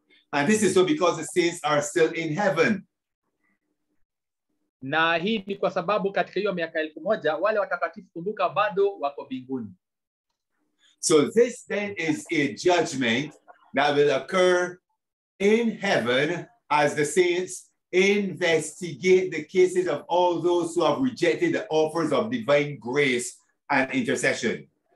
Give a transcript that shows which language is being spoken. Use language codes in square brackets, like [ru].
[en] And this is so because the saints are still in heaven. [sw] Na hii ni kwa sababu katika hiyo miaka 1000 wale watakatifu kumbuka bado wako binguni. [en] So this then is a judgment that will occur in heaven as the saints investigate the cases of all those who have rejected the offers of divine grace and intercession.